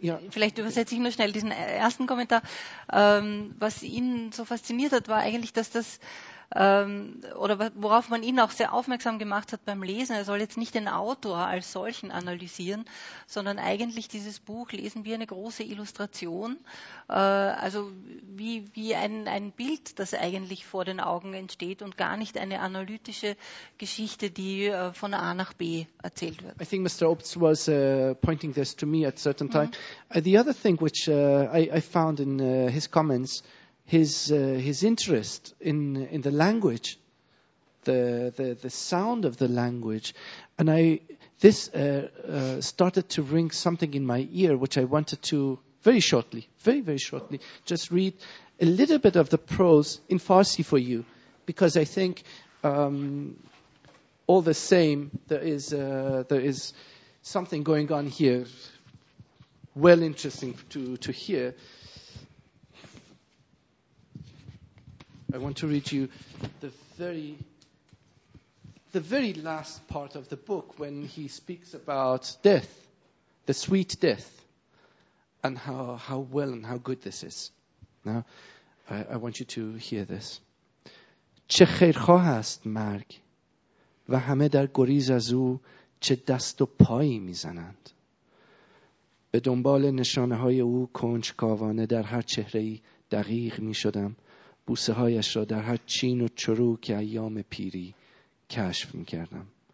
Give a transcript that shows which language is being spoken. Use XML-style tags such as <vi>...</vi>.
<de>vielleicht übersetze ich nur schnell diesen ersten Kommentar. Was ihn so fasziniert hat, war eigentlich, dass das oder worauf man ihn auch sehr aufmerksam gemacht hat beim Lesen, er soll jetzt nicht den Autor als solchen analysieren, sondern eigentlich dieses Buch lesen wie eine große Illustration, also wie ein Bild, das eigentlich vor den Augen entsteht und gar nicht eine analytische Geschichte, die von A nach B erzählt wird.</de> <en>I think Mr. Obst was pointing this to me at a certain time. Mm-hmm. The other thing which I found in his comments, his interest in the language, the sound of the language, and this started to ring something in my ear, which I wanted to very shortly just read a little bit of the prose in Farsi for you, because I think all the same there is something going on here, well interesting to hear. I want to read you the very last part of the book when he speaks about death, the sweet death, and how well and how good this is. Now, I want you to hear this.</en> <fa>چه خیر خواه است مرگ و همه در گریز از او چه دست و پایی میزنند. به دنبال نشانه های او کنجکاوانه در هر چهره ای دقیق میشدم. بوسه هایش را در هر چین و چروک ایام پیری کشف می کردم.</fa>